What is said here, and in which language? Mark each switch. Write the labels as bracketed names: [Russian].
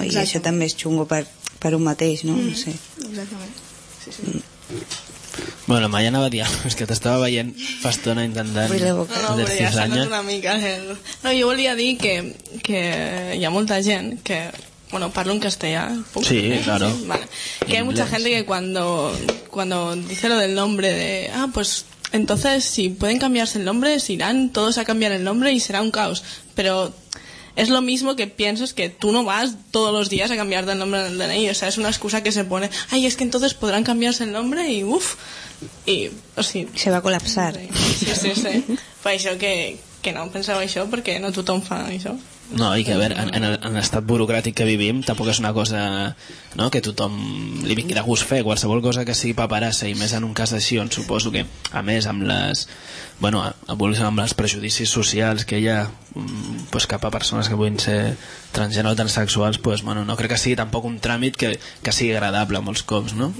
[Catalan] Exactament. I això també és xungo per un mateix, no? No sé. Exactament. Sí, sí. Bueno, Maia anava a dir, és que t'estava veient fa estona intentant... Vull la boca. No, però ja s'ha anat una mica. No, jo volia dir que hi ha molta gent que... Bueno, parlo en castellà. [Spanish] ¿Puc? Sí, claro. Sí, vale. Que hay mucha gente que cuando dice lo del nombre de... Ah, pues entonces si pueden cambiarse el nombre, se irán todos a cambiar el nombre y será un caos. Pero... es lo mismo que piensas que tú no vas todos los días a cambiarte el nombre del DNI. O sea, es una excusa que se pone. Ay, es que entonces podrán cambiarse el nombre y uff. Y, o sea... se va a colapsar. Sí, sí, sí. Pues eso que no pensaba eso porque no [Catalan] tothom fa [Spanish] eso. [Catalan] No, i que a veure, en l'estat burocràtic que vivim tampoc és una cosa, no, que tothom li vingui de gust fer qualsevol cosa que sigui paperassa, i més en un cas així on suposo que, a més, amb les, bueno, amb els prejudicis socials que hi ha pues, cap a persones que puguin ser transgènere o transsexuals, pues, bueno, no crec que sigui tampoc un tràmit que sigui agradable molts cops, no?